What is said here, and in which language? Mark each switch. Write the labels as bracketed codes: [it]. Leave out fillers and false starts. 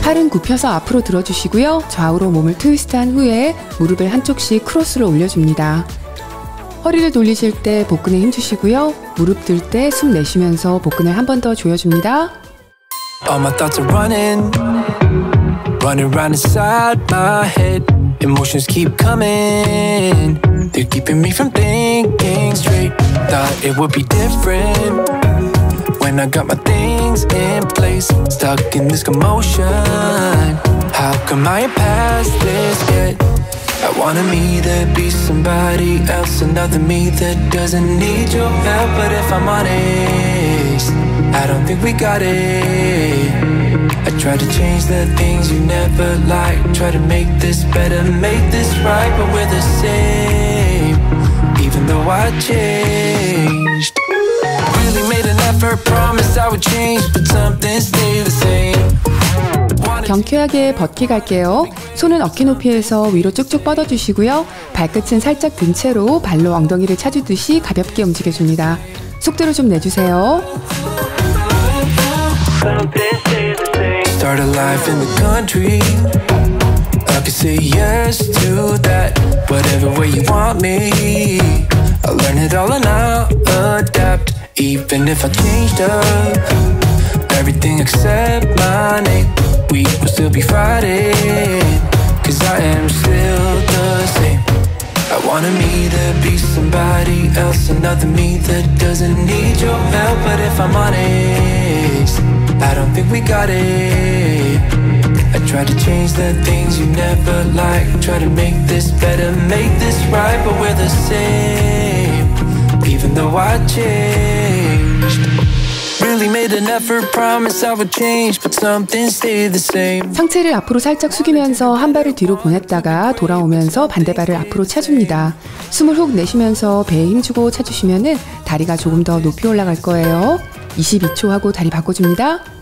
[ko] 굽혀서 앞으로 들어주시고요. 좌우로 몸을 트위스트한 후에 무릎을 한쪽씩 크로스로 올려줍니다. 허리를 돌리실 때 복근에 힘 주시고요. 무릎 들 때 숨 내쉬면서 복근을 한 번 더 조여줍니다. [en] All my thoughts are running, running round inside my head. Emotions keep coming, they're keeping me from thinking straight. Thought it would be different when I got my things in place. Stuck in this commotion, how come I ain't past this yet? I wanna me that be somebody else, another me that doesn't need your help. But if I'm honest, I don't think we got it. I I try to change the things you never liked. Try to make this better, make this right. But we're the same, even though I changed. Really made an effort, promised I would change. But something stayed the same. [ko] 경쾌하게 벗기 갈게요. 손은 어깨 높이에서 위로 쭉쭉 뻗어주시고요. 발끝은 살짝 든 채로 발로 엉덩이를 차주듯이 가볍게 움직여줍니다. 속도를 좀 내주세요. [en] Start a life in the country. I could say yes to that. Whatever way you want me. I'll learn it all and I'll adapt. Even if I changed up everything except my name. We will still be fighting, cause I am still the same. I wanna meet to be somebody else, another me that doesn't need your help. But if I'm honest, I don't think we got it. I tried to change the things you never liked. Try to make this better, make this right. But we're the same, even though I changed. Really made an effort, promise I would change, but something stayed the same. [ko] 상체를 앞으로 살짝 숙이면서 한 발을 뒤로 보냈다가 돌아오면서 반대 발을 앞으로 차줍니다. 숨을 훅 내쉬면서 배에 힘주고 차주시면은 다리가 조금 더 높이 올라갈 거예요. 22초 하고 다리 바꿔줍니다.